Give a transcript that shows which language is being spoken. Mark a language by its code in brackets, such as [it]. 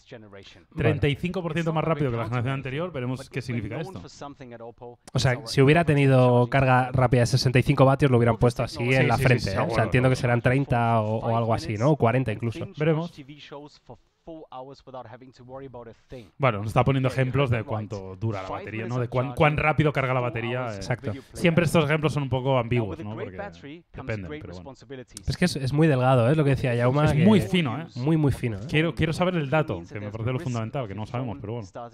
[es] 35% más rápido que la generación anterior. Veremos qué significa esto. O sea, si hubiera tenido carga rápida de 65 vatios, lo hubieran puesto así en la frente. Sí, sí, sí, ¿eh? O sea, entiendo que serán 30 o algo así, ¿no? O 40 incluso. Veremos. [en] 4 hours without having to worry about a thing. [es] Bueno, nos está poniendo ejemplos de cuánto dura la batería, ¿no? De cuán rápido carga la batería. Exacto. Siempre estos ejemplos son un poco ambiguos, ¿no? Porque dependen, pero bueno. Es que es muy delgado, ¿eh? Lo que decía Jaume. Es muy fino, ¿eh? Muy, muy fino, ¿eh? Quiero saber el dato, que me parece lo fundamental, que no sabemos, pero bueno.